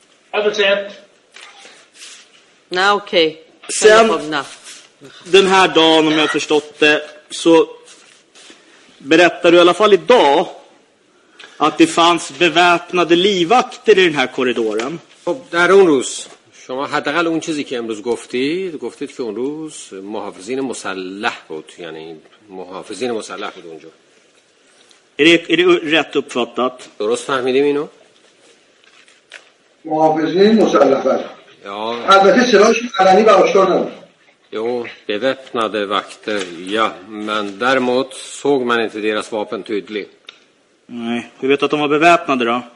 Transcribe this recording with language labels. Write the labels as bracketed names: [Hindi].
[Swedish] Har du sett? Nej, okej. Sen... Den här dagen, om jag har förstått det, så berättar du i alla fall idag att det fanns beväpnade livvakter i den här korridoren. Där hon rus. [Persian] شما حداقل اون چیزی که امروز گفتید، گفتید که اون روز محافظین مسلح بود، یعنی محافظین مسلح بود اونجا. [Swedish] Är det rätt uppfattat? [Persian] درست فهمیدیم اینو؟ محافظین مسلح. [Swedish] Ja. [Persian] البته سلاحش علنی و آشکار نبود. [Swedish] Jo, beväpnade vakter, ja. Men däremot såg man inte deras vapen tydligt. Nej, hur vet du att de var beväpnade då?